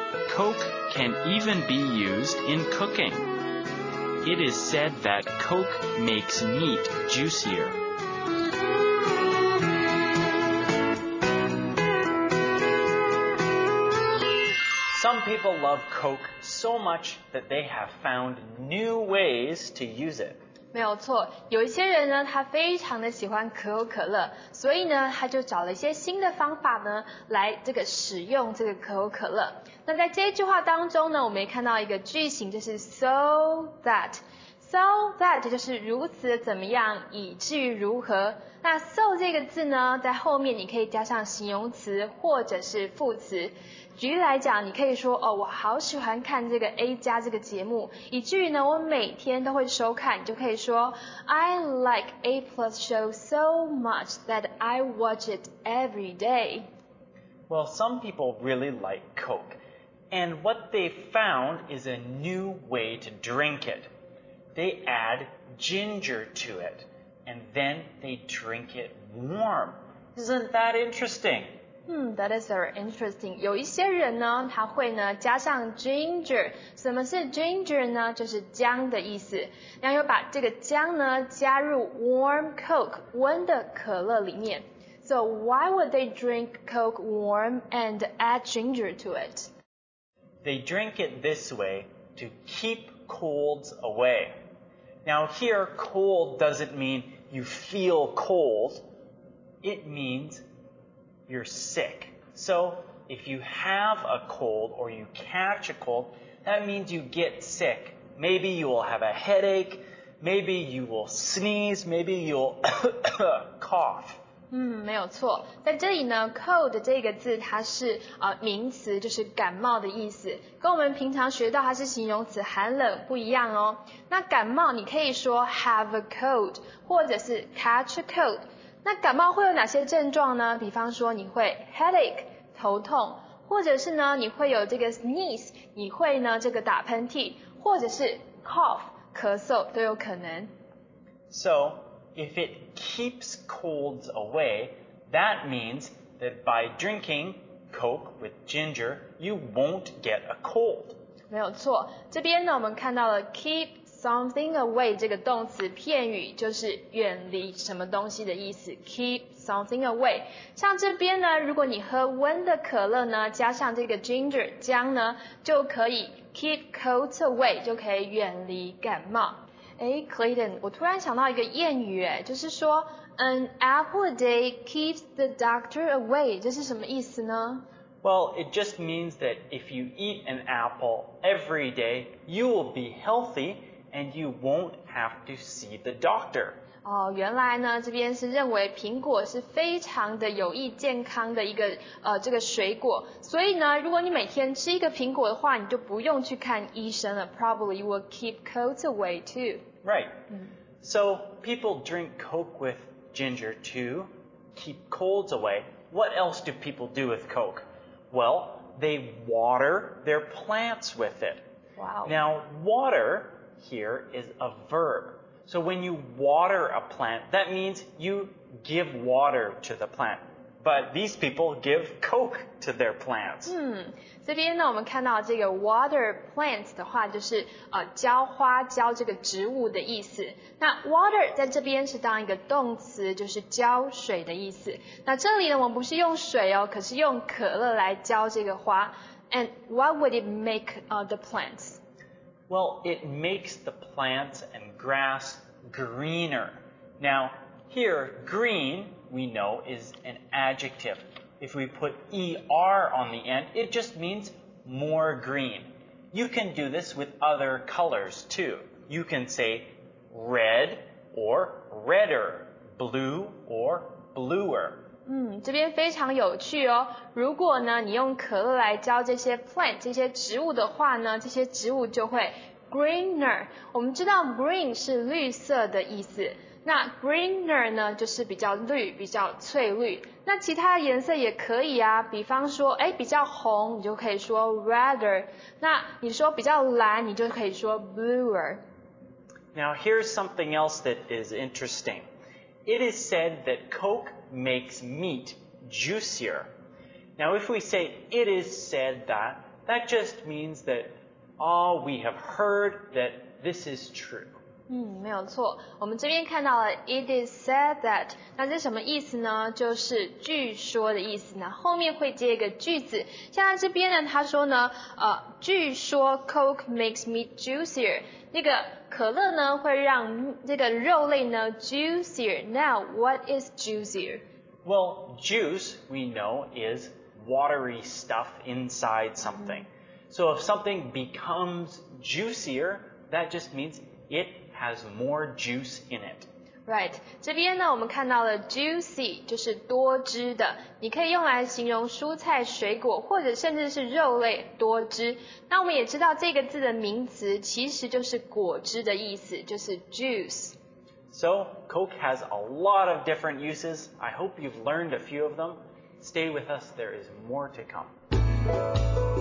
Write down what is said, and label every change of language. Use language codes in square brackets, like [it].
[en] Coke can even be used in cooking. It is said that Coke makes meat juicier. Some people love Coke so much that they have found new ways to use it. [zh] 没有错，有一些人呢，他非常的喜欢可口可乐，所以呢，他就找了一些新的方法呢，来这个使用这个可口可乐。那在这一句话当中呢，我们也看到一个句型，就是 so that。 So that 就是如此怎么样，以至于如何。那 so 这个字呢，在后面你可以加上形容词或者是副词。举例来讲，你可以说哦，我好喜欢看这个 A 加这个节目，以至于呢，我每天都会收看。 [en] 你就可以说 I like A plus show so much that I watch it every day. Well, some people really like Coke, and what they found is a new way to drink it. They add ginger to it, and then they drink it warm. Isn't that interesting? That is very interesting. [zh] 有一些人呢，他会呢加上 ginger. 什么是 ginger 呢？就是姜的意思。然后又把这个姜呢加入 warm Coke 温的可乐里面。 [en] So why would they drink Coke warm and add ginger to it? They drink it this way to keep. Colds away. Now here, cold doesn't mean you feel cold. It means you're sick. So if you have a cold or you catch a cold, that means you get sick. Maybe you will have a headache. Maybe you will sneeze. Maybe you'll cough. [zh] 没有错，在这里呢 cold 这个字它是名词，就是感冒的意思，跟我们平常学到它是形容词寒冷不一样哦。那感冒你可以说 have a cold 或者是 catch a cold。那感冒会有哪些症状呢？比方说你会 headache 头痛，或者是呢你会有这个 sneeze 你会呢这个打喷嚏，或者是 cough 咳嗽都有可能。 [en] SoIf it keeps colds away, that means that by drinking Coke with ginger, you won't get a cold. [zh] 没有错，这边呢我们看到了 keep something away 这个动词片语，就是远离什么东西的意思。 [en] Keep something away. [zh] 像这边呢，如果你喝温的可乐呢，加上这个 ginger 姜呢，就可以 keep colds away, 就可以远离感冒。哎 ，Clayton， 我突然想到一个谚语，哎，就是说 an apple a day keeps the doctor away，这是什么意思呢 [en] ？Well, it just means that if you eat an apple every day, you will be healthy and you won't have to see the doctor. [zh] 哦，原来呢，这边是认为苹果是非常的有益健康的一个这个水果，所以呢，如果你每天吃一个苹果的话，你就不用去看医生了。 [en] Probably you will keep colds away too. Right. So people drink Coke with ginger to keep colds away. What else do people do with Coke? Well, they water their plants with it. Wow. Now water here is a verb. So when you water a plant, that means you give water to the plant. But these people give Coke to their plants. [zh] 这边呢我们看到这个 water plants 的话就是、浇花浇这个植物的意思。那 water 在这边是当一个动词就是浇水的意思。那这里呢我们不是用水哦可是用可乐来浇这个花。 [en] And what would it make、the plants? Well, it makes the plants and grass greener. Now, here, green... we know is an adjective. If we put er on the end, it just means more green. You can do this with other colors too. You can say red or redder, blue or bluer. [zh] 这边非常有趣哦。如果呢你用可乐来浇这些 plant, 这些植物的话呢这些植物就会 greener. 我们知道 green 是绿色的意思。那 greener 呢就是比较绿比较翠绿那其他颜色也可以啊比方说诶比较红你就可以说 redder 那你说比较蓝你就可以说 bluer [en] Now here's something else that is interesting It is said that Coke makes meat juicier Now if we say it is said that that just means that all we have heard that this is true [zh] 没有错我们这边看到了 it is said that 那这什么意思呢就是据说的意思那后面会接一个句子像在这边呢他说呢据说 Coke makes meat juicier 那个可乐呢会让这个肉类呢 juicier Now what is juicier? [en] Well juice we know is watery stuff inside something So if something becomes juicier that just means itHas more juice in it. Right. [zh] 这边呢我们看到了 juicy, 就是多汁的。你可以用来形容蔬菜水果或者甚至是肉类多汁。那我们也知道这个字的名词其实就是果汁的意思就是 juice. [en] So, Coke has a lot of different uses. I hope you've learned a few of them. Stay with us. There is more to come.